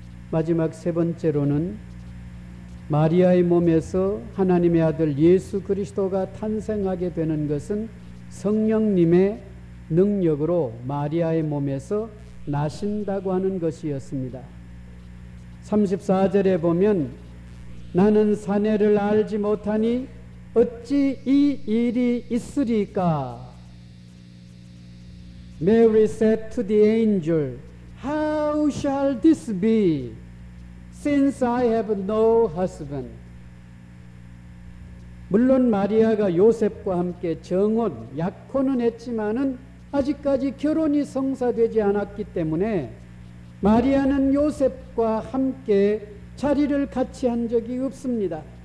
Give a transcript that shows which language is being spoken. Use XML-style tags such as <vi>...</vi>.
<ko>마지막 세 번째로는 마리아의 몸에서 하나님의 아들 예수 그리스도가 탄생하게 되는 것은 성령님의 능력으로 마리아의 몸에서 나신다고 하는 것이었습니다. 34절에 보면 나는 사내를 알지 못하니 어찌 이 일이 있으리까?</ko> <en>Mary said to the angel, How shall this be? Since I have no husband.</en> <ko>물론 마리아가 요셉과 함께 정혼, 약혼은 했지만은 아직까지 결혼이 성사되지 않았기 때문에 마리아는 요셉과 함께 자리를 같이 한 적이 없습니다.</ko>